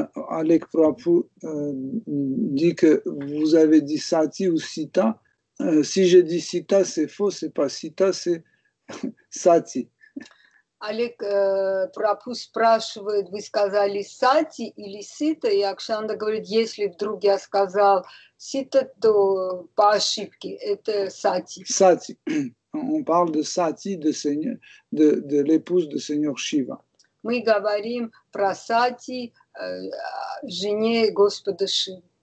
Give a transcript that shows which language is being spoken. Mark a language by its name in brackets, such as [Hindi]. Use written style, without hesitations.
[French] Alec Prabhu dit que vous avez dit Sati ou Sita. Si je dis Sita, c'est faux, c'est pas Sita, c'est Sati. [Russian] Alec Prabhu спрашивает, [French] vous [Russian] сказали Sati или Sita? И Акшанда говорит, если вдруг я сказал Sita, то по ошибке, это Sati. Sati. [French] On parle de Sati, de l'épouse de Seigneur Shiva. [Russian] Мы говорим про Сати, жене Господа Ши.